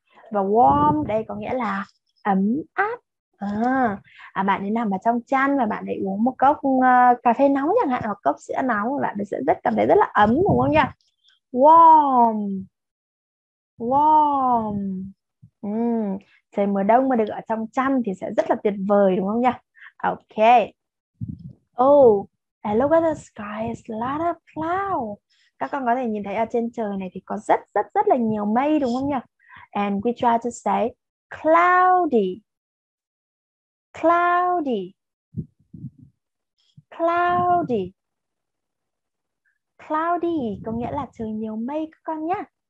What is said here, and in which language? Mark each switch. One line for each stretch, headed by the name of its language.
Vietnamese: Và warm đây có nghĩa là ấm áp. À, bạn ấy nằm ở trong chăn và bạn ấy uống một cốc cà phê nóng chẳng hạn hoặc cốc sữa nóng, bạn ấy sẽ rất cảm thấy rất là ấm đúng không nhỉ?
English: Warm. Warm.
Vietnamese: Trời mùa đông mà được ở trong chăn thì sẽ rất là tuyệt vời đúng không nhỉ?
English: Ok. Oh, and look at the sky, it's a lot of cloud.
Vietnamese: Các con có thể nhìn thấy ở trên trời này thì có rất rất rất là nhiều mây đúng không nhỉ?
English: And we try to say cloudy. Cloudy.
Vietnamese: Cloudy. Cloudy có nghĩa là trời nhiều mây các con nhá.